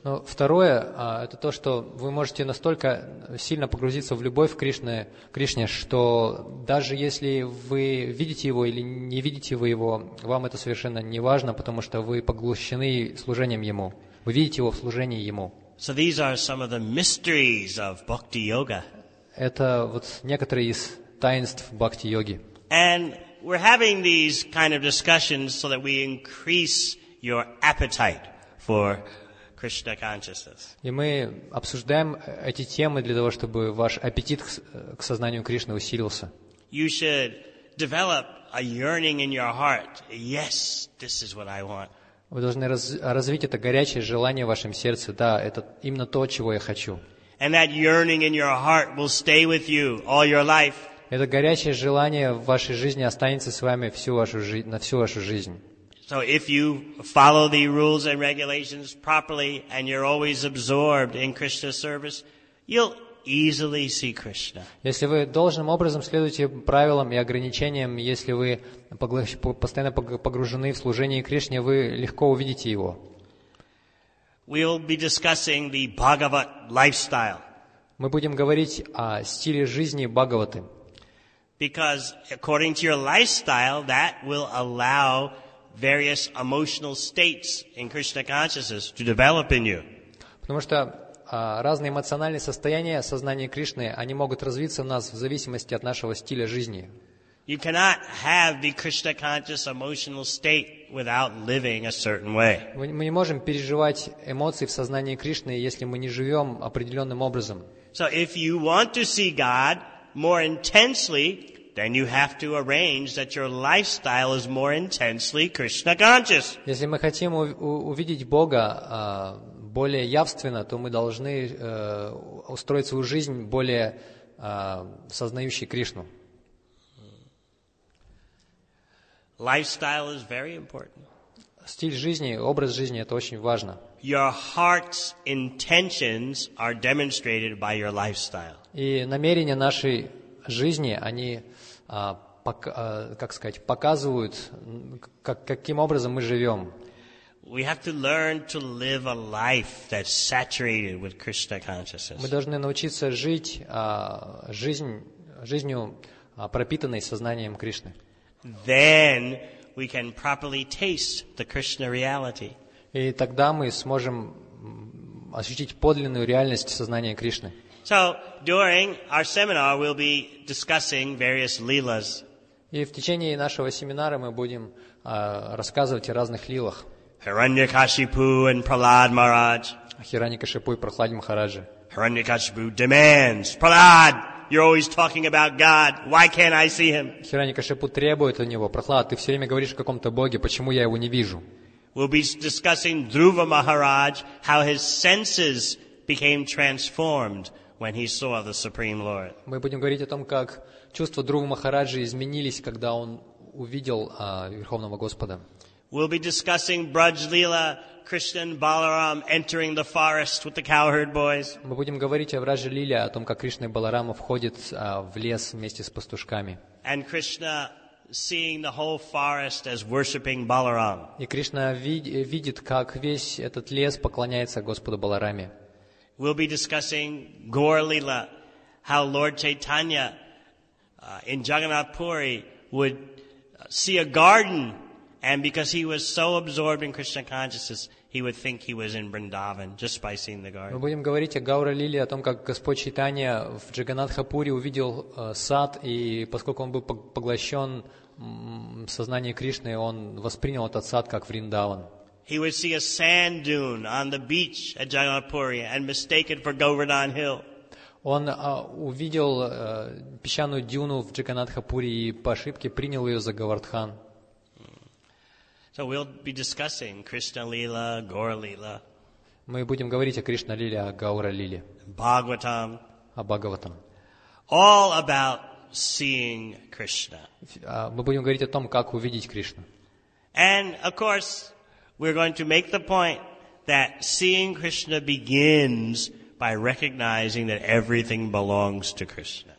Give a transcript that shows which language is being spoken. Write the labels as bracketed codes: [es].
[ru] Но второе, это то, что вы можете настолько сильно погрузиться в любовь к Кришне, что даже если вы видите его или не видите вы его, вам это совершенно не важно, потому что вы поглощены служением ему. Вы видите его в служении ему. [en] So these are some of the mysteries of bhakti yoga. [ru] Это вот некоторые из таинств бхакти йоги. [en] And we're having these kind of discussions so that we increase your appetite for Krishna consciousness. [ru] И мы обсуждаем эти темы для того, чтобы ваш аппетит к сознанию Кришны усилился. [en] You should develop a yearning in your heart. Yes, this is what I want. [ru] Вы должны развить это горячее желание в вашем сердце. Да, это именно то, чего я хочу. [en] And that yearning in your heart will stay with you all your life. [ru] Это горячее желание в вашей жизни останется с вами всю вашу жизнь, на всю вашу жизнь. [en] So if you follow the rules and regulations properly and you're always absorbed in Krishna's service, you'll easily see Krishna. [ru] Если вы должным образом следуете правилам и ограничениям, если вы постоянно погружены в служение Кришне, вы легко увидите его. [en] We'll be discussing the Bhagavat lifestyle. [ru] Мы будем говорить о стиле жизни Бхагаваты. [en] Because according to your lifestyle, that will allow various emotional states in Krishna consciousness to develop in you. [ru] Потому что разные эмоциональные состояния сознания Кришны, они могут развиться у нас в зависимости от нашего стиля жизни. [en] You cannot have the Krishna conscious emotional state without living a certain way. [ru] Мы не можем переживать эмоции в сознании Кришны, если мы не живем определенным образом. [en] So if you want to see God more intensely, then you have to arrange that your lifestyle is more intensely Krishna conscious. [ru] Если мы хотим увидеть Бога более явственно, то мы должны устроить свою жизнь более сознающей Кришну. [en] Lifestyle is very important. [ru] Стиль жизни, образ жизни — это очень важно. [en] Your heart's intentions are demonstrated by your lifestyle. [ru] И намерения нашей жизни, они как сказать, показывают, каким образом мы живем. [en] We have to learn to live a life that's saturated with Krishna consciousness. [ru] Мы должны научиться жить жизнью, пропитанной сознанием Кришны. [en] Then we can properly taste the Krishna reality. [ru] И тогда мы сможем ощутить подлинную реальность сознания Кришны. [en] So during our seminar, we'll be discussing various leelas. [ru] И в течение нашего семинара мы будем рассказывать о разных лилах. [en] Hiranyakashipu and Prahlad Maharaj. [ru] Hiranyakashipu и Прахлад Махараджа. [en] Hiranyakashipu demands, Prahlad, you're always talking about God. Why can't I see him? [ru] Hiranyakashipu требует у него, Прахлад, ты все время говоришь о каком-то боге, почему я его не вижу? [en] We'll be discussing Dhruva Maharaj, how his senses became transformed when he saw the Supreme Lord. [ru] Мы будем говорить о том, как чувства Друвы Махараджи изменились, когда он увидел Верховного Господа. [en] We'll be discussing Braj Leela, Krishna and Balaram entering the forest with the cowherd boys. [ru] Мы будем говорить о Враже Лиле, о том, как Кришна и Баларама входят в лес вместе с пастушками. [en] And Krishna seeing the whole forest as worshiping Balaram. [ru] И Кришна видит, как весь этот лес поклоняется Господу Балараме. [en] We'll be discussing Gaur Leela, how Lord Chaitanya in Jagannath Puri would see a garden. And because he was so absorbed in Krishna consciousness, he would think he was in Vrindavan just by seeing the garden. [ru] Мы будем говорить о Гаура Лиле, о том, как Господь Чайтанья в Джаганнатхапуре увидел сад, и поскольку он был поглощен сознанием Кришны, он воспринял этот сад как Вриндаван. [en] He would see a sand dune on the beach at Jagannathpuri and mistake it for Govardhan Hill. [ru] Он увидел песчаную дюну в Джаганнатхапуре и по ошибке принял ее за Говардхан. [en] So we'll be discussing Krishna Leela, Gaura Leela. [ru] Мы будем говорить о Кришна Лиле, о Гаура Лиле. Бхагаватам. О Бхагаватам. [en] All about seeing Krishna. [ru] Мы будем говорить о том, как увидеть Кришну. [en] And of course, we're going to make the point that seeing Krishna begins by recognizing that everything belongs to Krishna.